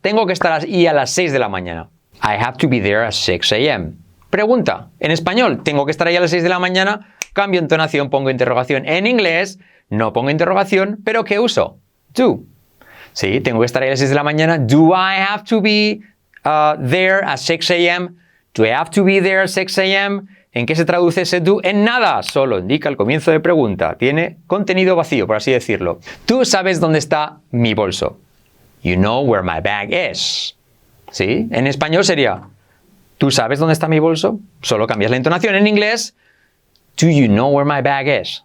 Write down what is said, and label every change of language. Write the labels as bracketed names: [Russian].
[Spanish] Tengo que estar allí a las 6 de la mañana. [English] I have to be there at 6 a.m. [Spanish] Pregunta. En español, tengo que estar allí a las 6 de la mañana. Cambio entonación, pongo interrogación. En inglés, no pongo interrogación, pero ¿qué uso? Do. ¿Sí? Tengo que estar allí a las 6 de la mañana. [English] Do I have to be... there at 6 a.m. Do I have to be there at 6 a.m.? [Spanish] ¿En qué se traduce ese do? En nada, solo indica el comienzo de pregunta. Tiene contenido vacío, por así decirlo. Tú sabes dónde está mi bolso. [English] You know where my bag is. ¿Sí? [Spanish] En español sería, ¿tú sabes dónde está mi bolso? Solo cambias la entonación. En inglés, [English] do you know where my bag is?